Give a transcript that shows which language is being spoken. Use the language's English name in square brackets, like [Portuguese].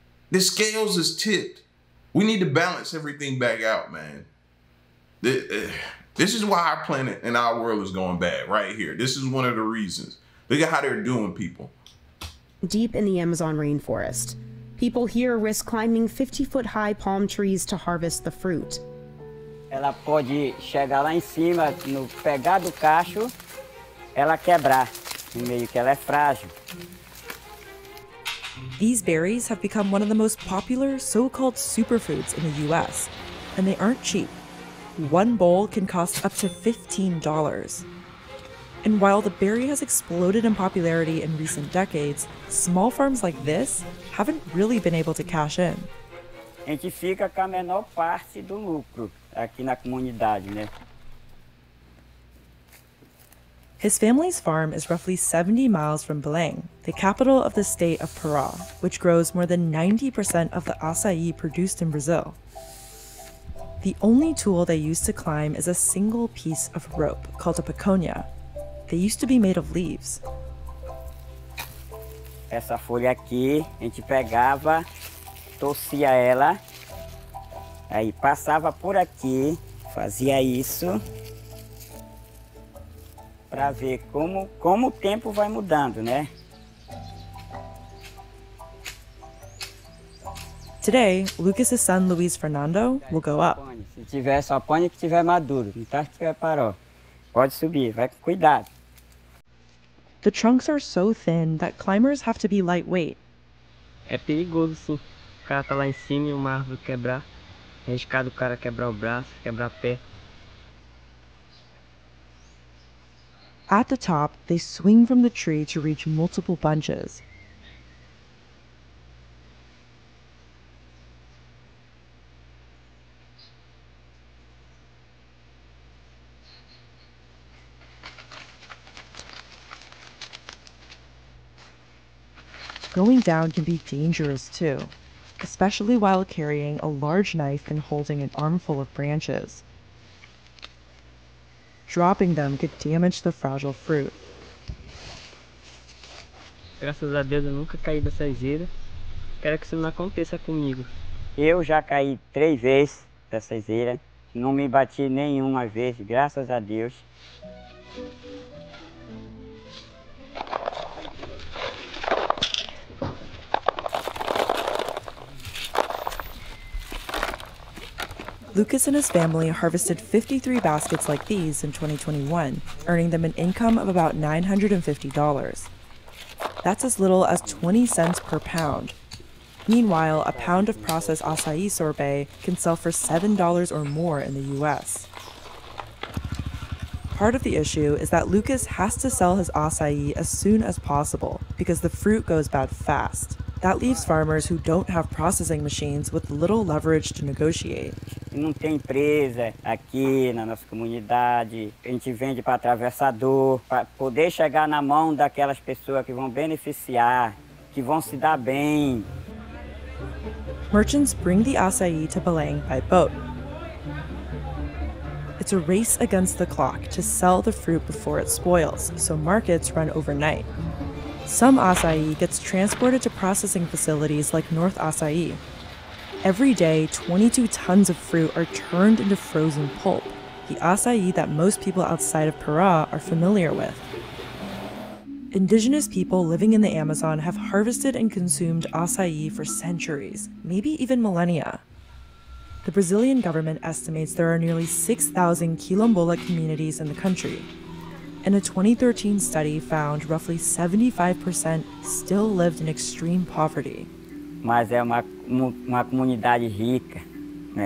[English] The scales is tipped. We need to balance everything back out, man. This is why our planet and our world is going bad right here. This is one of the reasons. Look at how they're doing, people. Deep in the Amazon rainforest, people here risk climbing 50-foot high palm trees to harvest the fruit. [Portuguese] Ela pode chegar lá em cima, no pegar do cacho, ela quebrar, no meio que ela é frágil. [English] These berries have become one of the most popular so-called superfoods in the US, and they aren't cheap. One bowl can cost up to $15. And while the berry has exploded in popularity in recent decades, small farms like this haven't really been able to cash in. [Portuguese] A gente fica com a menor parte do lucro aqui na comunidade, né? [English] His family's farm is roughly 70 miles from Belém, the capital of the state of Pará, which grows more than 90% of the açaí produced in Brazil. The only tool they use to climb is a single piece of rope called a peconha. They used to be made of leaves. [Portuguese] Essa folha aqui, a gente pegava, torcia ela, aí passava por aqui, fazia isso, para ver como o tempo vai mudando, né? [English] Today, Lucas's son Luis Fernando will go up. [Portuguese] Se tiver só apanha que tiver maduro, não tá que preparou. Pode subir, vai com cuidado. [English] The trunks are so thin that climbers have to be lightweight. [Portuguese] É perigoso se o cara tá lá em cima e uma árvore quebrar. É arriscado o cara quebrar o braço, quebrar o pé. [English] At the top, they swing from the tree to reach multiple bunches. Going down can be dangerous too, especially while carrying a large knife and holding an armful of branches. Dropping them could damage the fragile fruit. [Portuguese] Graças a Deus eu nunca caí dessa zeira. Quero que isso não aconteça comigo. Eu já caí 3 vezes dessa zeira. Não me bati nenhuma vez, graças a Deus. [English] Lucas and his family harvested 53 baskets like these in 2021, earning them an income of about $950. That's as little as 20 cents per pound. Meanwhile, a pound of processed acai sorbet can sell for $7 or more in the US. Part of the issue is that Lucas has to sell his acai as soon as possible because the fruit goes bad fast. That leaves farmers who don't have processing machines with little leverage to negotiate. [Portuguese] Não tem empresa aqui na nossa comunidade. A gente vende para atravessador, para poder chegar na mão daquelas pessoas que vão beneficiar, que vão se dar bem. [English] Merchants bring the acai to Belém by boat. It's a race against the clock to sell the fruit before it spoils, so markets run overnight. Some acai gets transported to processing facilities like North Acai. Every day, 22 tons of fruit are turned into frozen pulp, the acai that most people outside of Pará are familiar with. Indigenous people living in the Amazon have harvested and consumed acai for centuries, maybe even millennia. The Brazilian government estimates there are nearly 6,000 quilombola communities in the country. And a 2013 study found roughly 75% still lived in extreme poverty. [Portuguese] Mas é uma comunidade rica, né?